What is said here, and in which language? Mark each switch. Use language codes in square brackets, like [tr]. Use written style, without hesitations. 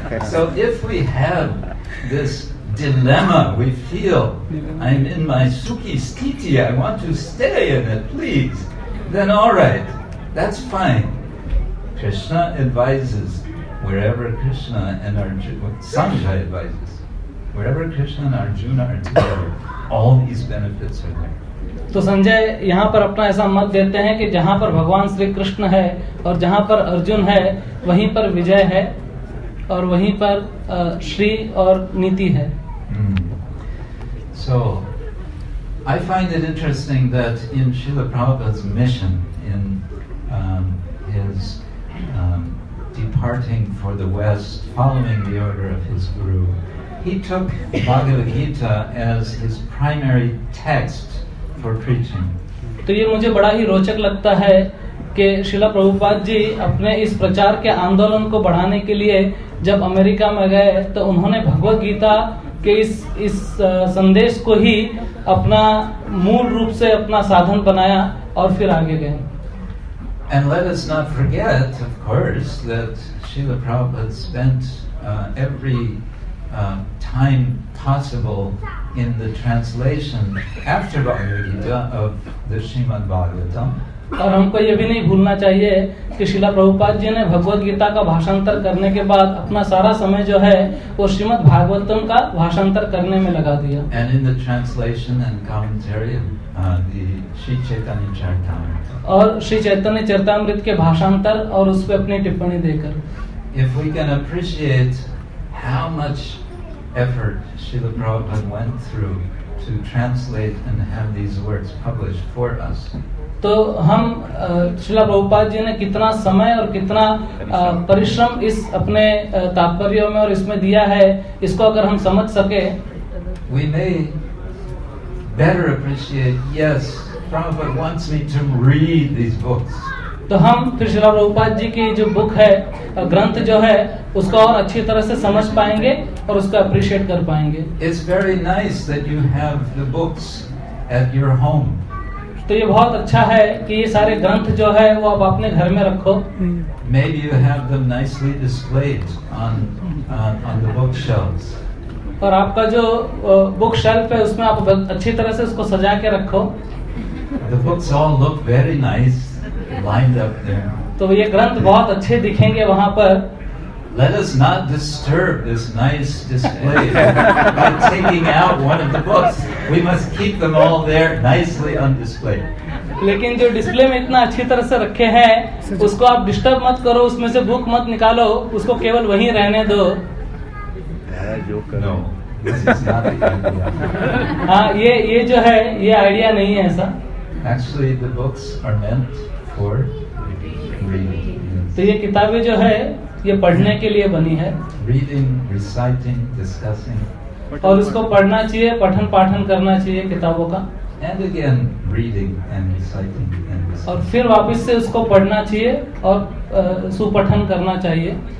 [en] So if we have this dilemma, we feel I'm in my [hi] sukhi sthiti, [en] I want to stay in it, please, then all right, that's fine. Krishna advises wherever Krishna and Arjuna, Sanjaya advises, wherever Krishna and Arjuna are together, all these benefits are there. [hi] तो संजय यहाँ पर अपना ऐसा मत देते हैं कि जहाँ पर भगवान श्री कृष्ण है और जहाँ पर अर्जुन है वहीं पर विजय है और वहीं पर श्री और नीति है. [en] So, I find it interesting that in Srila Prabhupada's mission, in his departing for the West, following the order of his guru, he took Bhagavad Gita as his primary text for preaching. [hi] तो ये मुझे बड़ा ही रोचक लगता है कि श्रीला प्रभुपाद जी अपने इस प्रचार के आंदोलन को बढ़ाने के लिए जब अमेरिका में गए तो उन्होंने भगवत गीता के इस संदेश को ही अपना मूल रूप से अपना साधन बनाया और फिर आगे गए. [en] And let us not forget, of course, that Srila Prabhupada spent every time possible in the translation after Bhagavad Gita of the Srimad Bhagavatam. [hi] और हमको ये भी नहीं भूलना चाहिए कि श्रीला प्रभुपाद जी ने भगवत गीता का भाषांतर करने के बाद अपना सारा समय जो है वो श्रीमद् भागवतम का भाषांतर करने में लगा दिया. [en] And in the translation and commentary of the Sri Chaitanya Charitamrita. [hi] और श्री चैतन्य चरितामृत के भाषांतर और उस पर अपनी टिप्पणी देकर. [en] If we can appreciate how much effort Srila Prabhupada went through to translate and have these words published for us. [hi] तो हम श्रीला प्रभुपाद जी ने कितना समय और कितना परिश्रम इस अपने तात्पर्यों में और इसमें दिया है इसको अगर हम समझ सके [en] we may better appreciate, yes, Prabhupada wants me to read these books. [hi] तो हम फिर श्रीला प्रभुपाद जी की जो बुक है ग्रंथ जो है उसको और अच्छी तरह से समझ पाएंगे और उसको अप्रिशिएट कर पाएंगे [en] It's very nice that you have the books at your home. [hi] तो ये बहुत अच्छा है कि ये सारे ग्रंथ जो है वो आप अपने घर में रखो [en] Maybe you have them nicely displayed on the bookshelves. [hi] और आपका जो बुक शेल्फ है उसमें आप अच्छी तरह से उसको सजा के रखो [en] The books all look very nice lined up there. [hi] तो ये ग्रंथ बहुत अच्छे दिखेंगे वहाँ पर [en] Let us not disturb this nice display by taking out one of the books. We must keep them all there nicely on display. [hi] लेकिन जो डिस्प्ले में इतना अच्छी तरह से रखे हैं, उसको आप डिस्टर्ब मत करो, उसमें से बुक मत निकालो, उसको केवल वहीं रहने दो. [en] No, this is not the idea. [hi] हाँ, ये जो है, ये आइडिया नहीं है ऐसा. [en] Actually, the books are meant for reading. [hi] तो ये किताबें जो है ये पढ़ने के लिए बनी है [en] Reading, reciting, discussing. [hi] और उसको पढ़ना चाहिए पठन पाठन करना चाहिए किताबों का [en] and again, reading and reciting and discussing. [hi] और फिर वापस से उसको पढ़ना चाहिए और सुपठन करना चाहिए